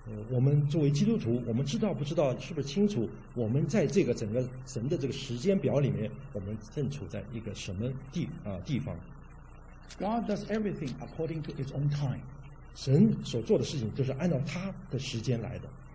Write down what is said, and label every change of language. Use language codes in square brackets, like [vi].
[zh] 我们作为基督徒我们知道不知道是不是清楚我们在这个整个神的这个时间表里面我们正处在一个什么 地方 [en] God does everything according to his own time [zh] 神所做的事情就是按照他的时间来的